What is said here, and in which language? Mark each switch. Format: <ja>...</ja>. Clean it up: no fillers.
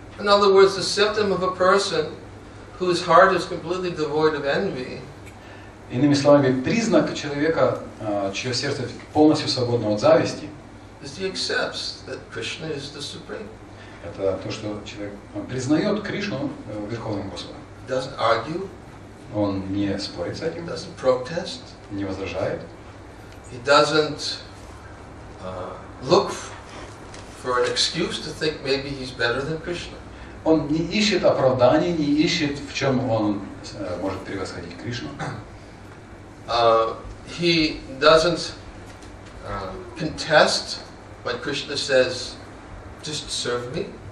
<en>In other words, the symptom of a person whose heart is completely devoid of envy.</en> <ru>Иными словами, признак человека, чье сердце полностью свободно от зависти.</ru> <en>Is he accepts that Krishna is the supreme.</en> <ru>Это то, что человек признает Кришну верховным Господом.</ru> <en>Doesn't argue.</en> <ru>Он не спорит с этим.</ru> <en>Doesn't protest.</en> <ru>Не возражает.</ru> <en>He doesn't look for an excuse to think maybe he's better than Krishna.</en> <ru>Он не ищет оправданий, не ищет, в чем он может превосходить Кришну.</ru> <en>He doesn't contest when Krishna says, just serve me.</en>